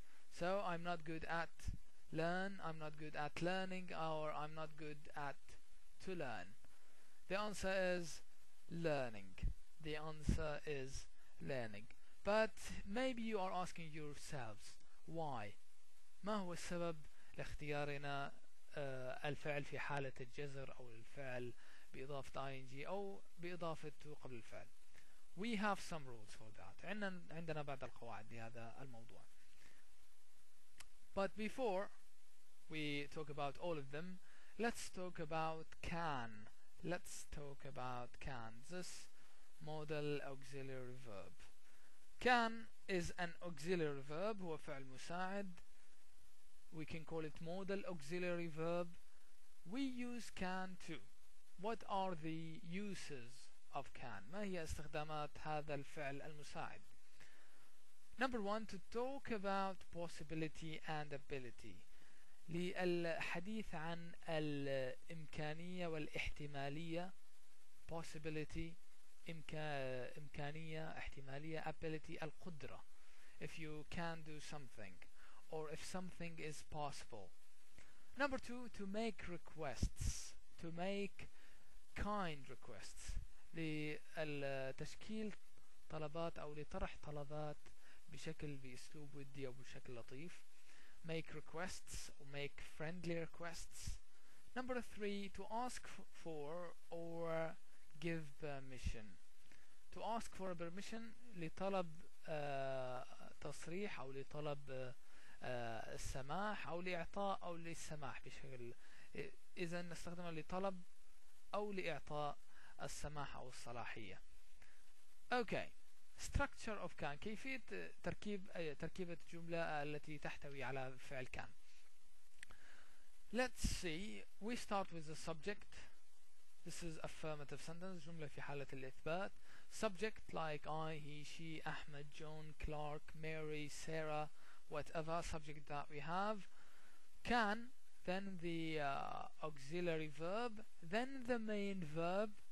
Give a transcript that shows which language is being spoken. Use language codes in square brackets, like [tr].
[en] So I'm not good at learn. I'm not good at learning, or I'm not good at to learn. The answer is learning. The answer is learning. But maybe you are asking yourselves why. [ar] ما هو السبب لاختيارنا الفعل في حالة الجزر أو الفعل بإضافة ing أو بإضافة to قبل الفعل. [en] We have some rules for that. [ar] عندنا بعض القواعد لهذا الموضوع. [en] But before we talk about all of them, let's talk about can. Let's talk about can. This modal auxiliary verb. Can is an auxiliary verb. [ar] هو فعل مساعد. [en] We can call it modal auxiliary verb. We use can too. What are the uses of can? [ar] ما هي استخدامات هذا الفعل المساعد؟ [en] Number one, to talk about possibility and ability. [ar] للحديث عن الإمكانية والاحتمالية. Possibility, إمكانية, احتمالية, ability, القدرة. [en] If you can do something, or if something is possible. Number two, to make requests. To make kind requests. [ar] لتشكيل طلبات أو لطرح طلبات بشكل بأسلوب ودي أو بشكل لطيف. [en] Make requests, or make friendly requests. Number three, to ask for or give permission. To ask for a permission, [ar] لطلب تصريح أو لطلب السماح أو لإعطاء أو للسماح بشكل. إذا نستخدمها لطلب أو لإعطاء السماح أو الصلاحية. Okay, [en] structure of can, [ar] كيفية تركيبة جملة التي تحتوي على فعل can. [en] Let's see, we start with the subject. This is affirmative sentence, [ar] جملة في حالة الإثبات. [en] Subject like I, he, she, Ahmed, John, Clark, Mary, Sarah, whatever subject that we have. Can, then the auxiliary verb, then the main verb.